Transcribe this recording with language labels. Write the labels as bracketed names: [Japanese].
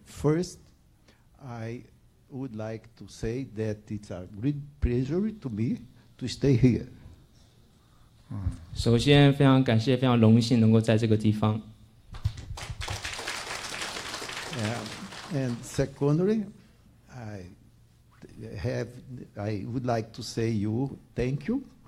[English] First, I would like to say that it's a great pleasure to me to stay here. [Chinese] 首先非常感谢，非常荣幸能够在这个地方。 [English] And secondly, I would like to say you thank you.